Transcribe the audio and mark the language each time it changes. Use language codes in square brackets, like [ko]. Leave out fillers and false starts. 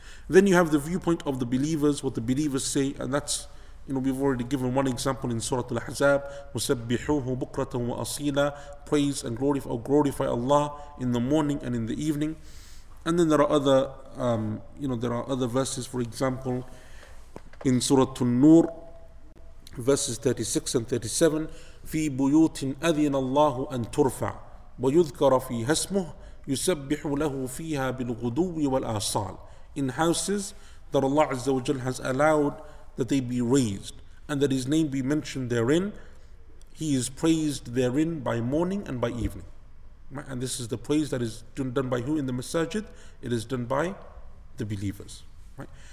[en] Then you have the viewpoint of the believers, what the believers say, and that's, you know, we've already given one example in Surah Al-Ahzab, [ar] وَسَبِّحُوهُ بُكْرَةً وَأَصِيلًا [en] Praise and glorify Allah in the morning and in the evening. And then there are other, there are other verses. For example, in Surah An-Nur, verses 36 and 37, [ar] في بيوت أذن الله أن ترفع ويذكر فيها اسمه يسبح له فيها بالغدو والآصال. [en] In houses that Allah Azza wa Jal has allowed that they be raised and that His name be mentioned therein, He is praised therein by morning and by evening. And this is the praise that is done by who in the masajid? It is done by the believers. Right?